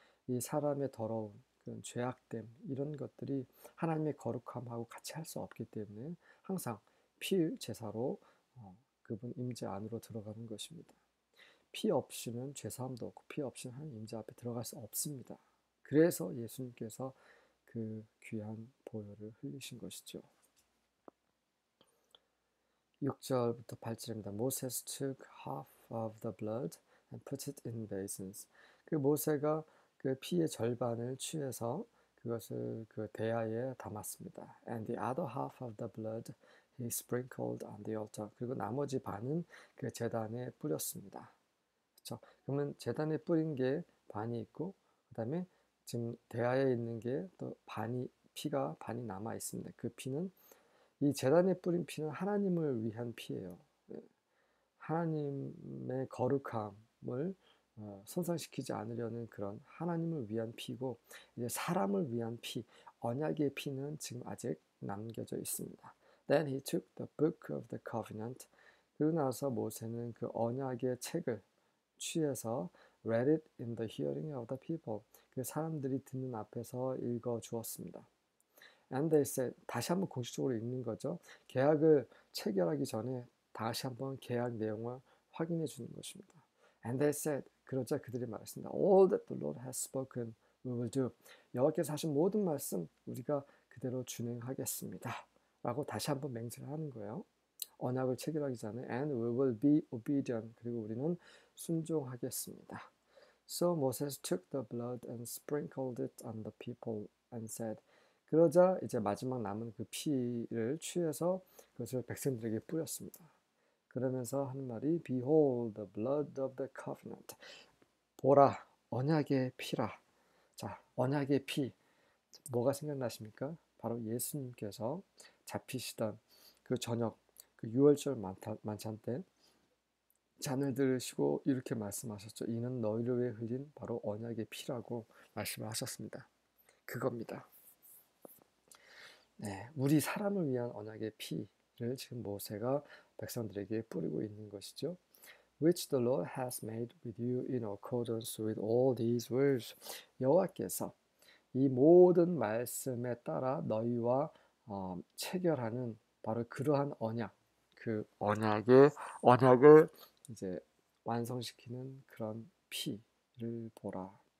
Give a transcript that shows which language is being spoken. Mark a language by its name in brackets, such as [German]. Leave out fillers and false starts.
[Korean] 이 사람의 더러운 그런 죄악됨 이런 것들이 하나님의 거룩함하고 같이 할수 없기 때문에 항상 피 제사로 그분 임재 안으로 들어가는 것입니다. 피 없이는 죄사함도 없고 피 없이는 하나님 임재 앞에 들어갈 수 없습니다. 그래서 예수님께서 그 귀한 보혈을 흘리신 것이죠. 6절부터 8절입니다. [English] Moses took half of the blood and put it in basins. [Korean] 그 모세가 그 피의 절반을 취해서 그것을 그 대야에 담았습니다. [English] And the other half of the blood he sprinkled on the altar. [Korean] 그리고 나머지 반은 그 제단에 뿌렸습니다. 그렇죠? 그러면 제단에 뿌린 게 반이 있고 그다음에 지금 대야에 있는 게또 반이 피가 반이 남아 있습니다. 그 피는 이 제단에 뿌린 피는 하나님을 위한 피예요. 하나님의 거룩함을 손상시키지 않으려는 그런 하나님을 위한 피고 이제 사람을 위한 피, 언약의 피는 지금 아직 남겨져 있습니다. [English] Then he took the book of the covenant. [Korean] 그 나서 모세는 그 언약의 책을 취해서 [English] read it in the hearing of the people. [Korean] 그 사람들이 듣는 앞에서 읽어 주었습니다. [English] And they said, [Korean] 다시 한번 공식적으로 읽는 거죠. 계약을 체결하기 전에 다시 한번 계약 내용을 확인해 주는 것입니다. [English] And they said, [Korean] 그러자 그들이 말했습니다. [English] All that the Lord has spoken, we will do. [Korean] 여호와께서 하신 모든 말씀 우리가 그대로 준행하겠습니다.라고 다시 한번 맹세를 하는 거예요. 언약을 체결하기 전에 [English] And we will be obedient. [Korean] 그리고 우리는 순종하겠습니다. [English] So Moses took the blood and sprinkled it on the people and said, [Korean] 그러자 이제 마지막 남은 그 피를 취해서 그것을 백성들에게 뿌렸습니다. 그러면서 하는 말이 [English] Behold the blood of the covenant. [Korean] 보라, 언약의 피라. 자, 언약의 피. 뭐가 생각나십니까? 바로 예수님께서 잡히시던 그 저녁, 그 유월절 만찬 때 잔을 들으시고 이렇게 말씀하셨죠. 이는 너희를 위해 흘린 바로 언약의 피라고 말씀을 하셨습니다. 그겁니다. 네, 우리 사람을 위한 언약의 피를 지금 모세가 백성들에게 뿌리고 있는 것이죠. [English] Which the Lord has made with you in accordance with all these words. [Korean] 여호와께서 이 모든 말씀에 따라 너희와 체결하는 바로 그러한 언약, 그 언약을 이제 완성시키는 그런 피를 보라.